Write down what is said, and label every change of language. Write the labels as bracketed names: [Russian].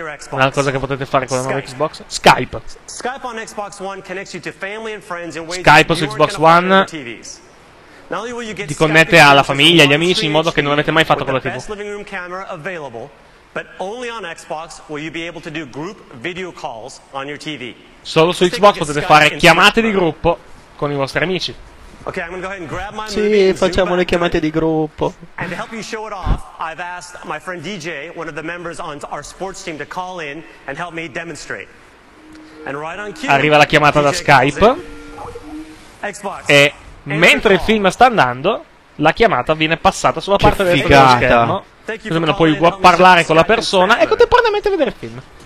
[Italian] Una cosa che potete fare con la nuova Xbox? Skype. [English] Skype on Xbox One connects you to family and friends in ways [Italian] Skype su Xbox One ti connette alla famiglia, agli amici in modo che non avete mai fatto con la TV. [English] But only on Xbox will you be able to do group video calls on your TV. [Italian] Solo su Xbox potete fare chiamate di gruppo con i vostri amici. [English] Okay, I'm going to go ahead and grab my [Italian] sì, facciamo le chiamate di gruppo. [English] And to help you show it off, I've asked my friend DJ, one of the members on our sports team, to call in and help me demonstrate. And right on cue. [Italian] Arriva la chiamata da Skype. [English] Xbox. [Italian] E mentre il film sta andando, la chiamata viene passata sulla parte del schermo. Così almeno puoi parlare con la persona e contemporaneamente vedere il film.